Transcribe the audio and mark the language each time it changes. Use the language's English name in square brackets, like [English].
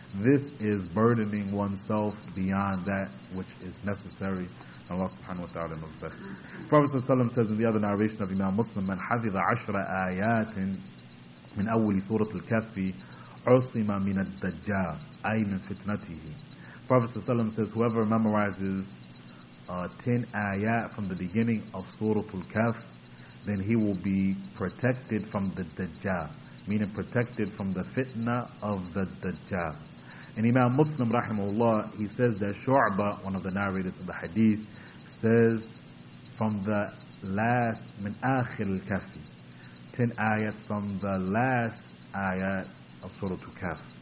[English] This is burdening oneself beyond that which is necessary. Allah subhanahu wa ta'ala knows best. Prophet ﷺ says in the other narration of Imam Muslim, [Arabic] من حفظ عشر آيات من أول سورة الكهف عصم من الدجال أي من فتنته. [English] Prophet ﷺ says, whoever memorizes 10 ayat from the beginning of Suratul Kahf, then he will be protected from the Dajjal, meaning protected from the fitna of the Dajjal. And Imam Muslim rahimahullah, he says that Shu'ba, one of the narrators of the hadith, says from the last, [Arabic] min akhir al-kahfi, [English] 10 ayats from the last ayat of Suratul Kahf.